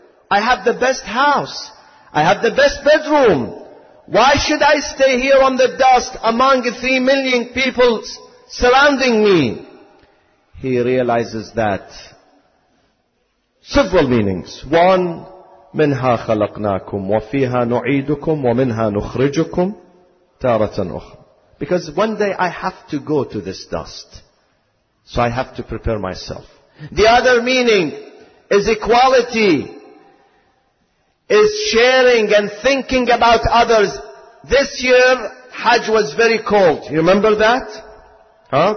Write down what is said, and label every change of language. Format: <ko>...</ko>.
<en>I have the best house. I have the best bedroom. Why should I stay here on the dust among 3 million people surrounding me? He realizes that. Several meanings. One,</en> <ar>منها خلقناكم وفيها نعيدكم ومنها نخرجكم تارة أخرى.</ar> <en>Because one day I have to go to this dust. So I have to prepare myself. The other meaning is equality, is sharing and thinking about others. This year, Hajj was very cold. You remember that? Huh?</en>